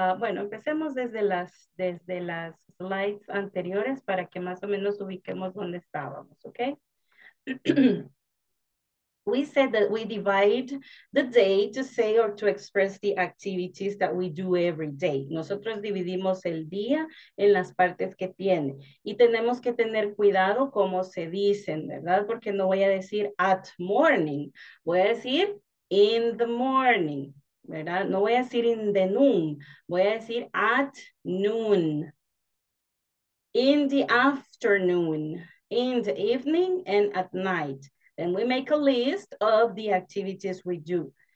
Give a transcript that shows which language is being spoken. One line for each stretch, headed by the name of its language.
Spanish: Bueno, empecemos desde las slides anteriores para que más o menos ubiquemos dónde estábamos, ¿ok?
English: We said that we divide the day to say or to express the activities that we do every day.
Spanish: Nosotros dividimos el día en las partes que tiene. Y tenemos que tener cuidado cómo se dicen, ¿verdad? Porque no voy a decir
English: at morning,
Spanish: voy a decir
English: in the morning,
Spanish: ¿verdad? No voy a decir
English: in the noon,
Spanish: voy a decir
English: at noon, in the afternoon, in the evening, and at night. Then we make a list of the activities we do.